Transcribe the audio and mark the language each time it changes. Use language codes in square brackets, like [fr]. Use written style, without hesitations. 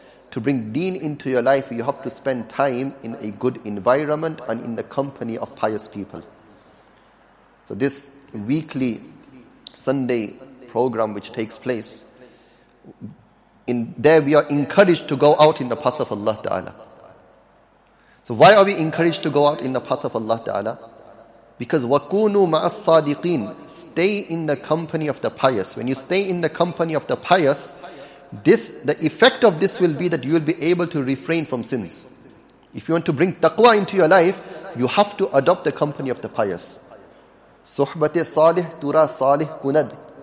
[en] To bring deen into your life, you have to spend time in a good environment and in the company of pious people. So this weekly Sunday program which takes place, in there we are encouraged to go out in the path of Allah Ta'ala. So why are we encouraged to go out in the path of Allah Ta'ala? Because [ar] وَكُونُوا مَعَ الصَّادِقِينَ. [en] Stay in the company of the pious. When you stay in the company of the pious, the effect of this will be that you will be able to refrain from sins. If you want to bring taqwa into your life, you have to adopt the company of the pious. [fa] Suhbate salih tura salih kunad.